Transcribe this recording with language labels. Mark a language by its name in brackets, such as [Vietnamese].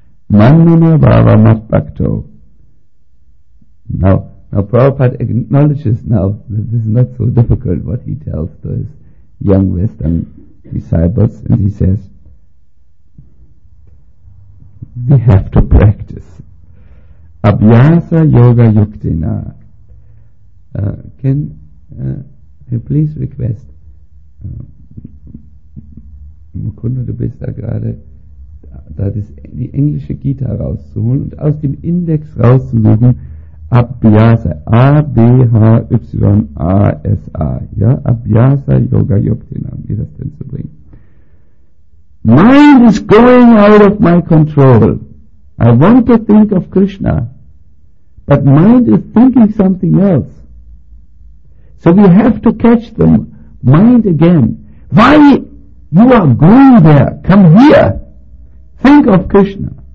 [Sanskrit] Manmana bhava mat bhakto. [English] Now Prabhupada acknowledges now that this is not so difficult what he tells to his young wisdom disciples, and he says, we have to practice. [Sanskrit] Abhyasa yoga yuktina. [English] Can you please request Mukunda, [German] du bist da gerade, da das, die englische Gita rauszuholen und aus dem Index rauszusuchen, Abhyasa, A-B-H-Y-A-S-A, ja, Abhyasa Yoga Yoktina, wie das denn zu bringen. [English] Mind is going out of my control. I want to think of Krishna, but mind is thinking something else. So we have to catch the mind again. Why? You are going there. Come here. Think of Krishna.